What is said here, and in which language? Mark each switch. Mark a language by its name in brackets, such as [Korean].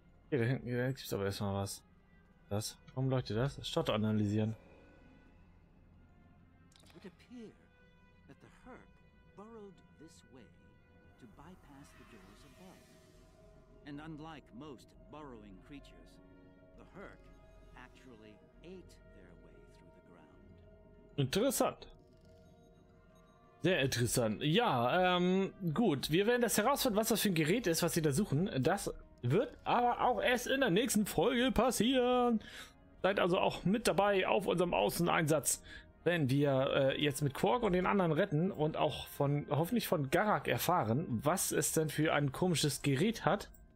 [German] Hier, da hinten gibt es aber erstmal was. Das? Warum leuchtet das? Stadt analysieren. [English] It would appear that the Herc burrowed this way to bypass the doors above. And unlike most burrowing creatures, the Herc actually ate their way through the ground. [German] Interessant. Sehr interessant. Ja, gut. Wir werden das herausfinden, was das für ein Gerät ist, was sie da suchen. Das wird aber auch erst in der nächsten Folge passieren. Seid also auch mit dabei auf unserem Außeneinsatz, wenn wir jetzt mit Quark und den anderen retten und auch von hoffentlich von Garak erfahren, was es denn für ein komisches Gerät hat.